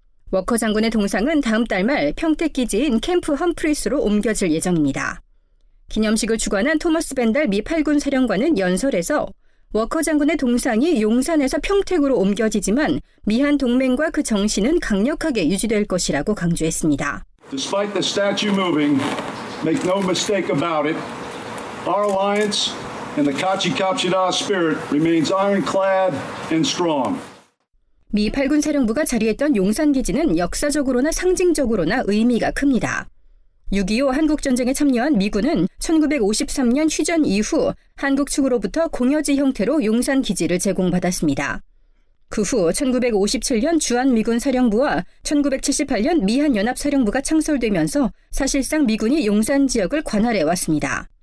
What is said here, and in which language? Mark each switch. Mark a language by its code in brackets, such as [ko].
[ko] 워커 장군의 동상은 다음 달 말 평택기지인 캠프 험프리스로 옮겨질 예정입니다. 기념식을 주관한 토머스 벤달 미 8군 사령관은 연설에서 워커 장군의 동상이 용산에서 평택으로 옮겨지지만 미한 동맹과 그 정신은 강력하게 유지될 것이라고 강조했습니다. [en] Despite the statue moving, make no mistake about it, our alliance and the Kachikapshida spirit remains ironclad and strong. [ko] 미 8군 사령부가 자리했던 용산기지는 역사적으로나 상징적으로나 의미가 큽니다. 6.25 한국전쟁에 참여한 미군은 1953년 휴전 이후 한국 측으로부터 공여지 형태로 용산기지를 제공받았습니다. 그 후 1957년 주한미군 사령부와 1978년 미한연합사령부가 창설되면서 사실상 미군이 용산 지역을 관할해왔습니다.